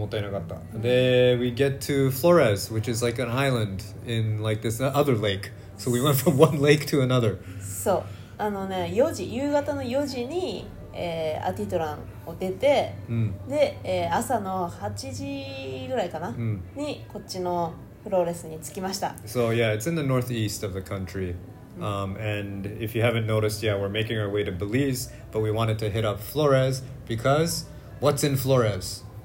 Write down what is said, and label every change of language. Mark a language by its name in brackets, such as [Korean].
[English] We get to Flores, which is like an island in like this other lake. So we went from one lake to another. So, [Japanese] あのね、4時、夕方の4時に、アティトランを出て、で、朝の8時ぐらいかな、にこっちのフローレスに着きました。 [English] So yeah, it's in the northeast of the country. And if you haven't noticed, yeah, we're making our way to Belize, but we wanted to hit up Flores because what's in Flores?